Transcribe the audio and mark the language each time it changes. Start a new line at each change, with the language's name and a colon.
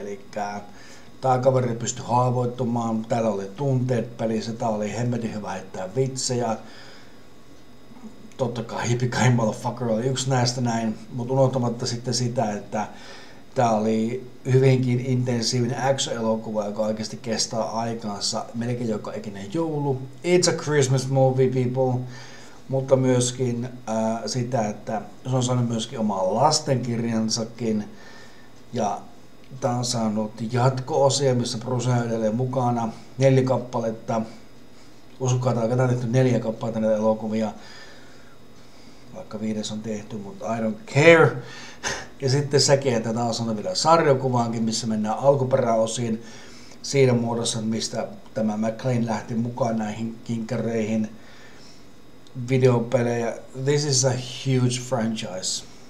Finnish: Elikkä tämä kaveri pystyi haavoittumaan, täällä oli tunteet pelissä, tää oli hemmetin hyvä heittää vitsejä. totta kai
English: Yippee-ki-yay, motherfucker
Finnish: oli yksi näistä näin, mutta unohtamatta sitten sitä, että tämä oli hyvinkin intensiivinen action-elokuva, joka oikeasti kestää aikaansa melkein joka ikinen joulu.
English: It's a Christmas movie, people.
Finnish: Mutta myöskin sitä, että se on saanut myöskin oman lastenkirjansakin. Ja tämä on saanut jatko-osia, missä Bruce on edelleen mukana. 4 kappaletta. Uskokaa, että aikataan tehty 4 kappaletta näitä elokuvia. Vaikka 5 on tehty, mutta
English: I don't care.
Finnish: Ja sitten sekin, että tämä on saanut vielä sarjakuvaankin, missä mennään alkuperäosiin. Siinä muodossa, mistä tämä McLean lähti mukaan näihin kinkkereihin. Videopelejä.
English: This is a huge franchise.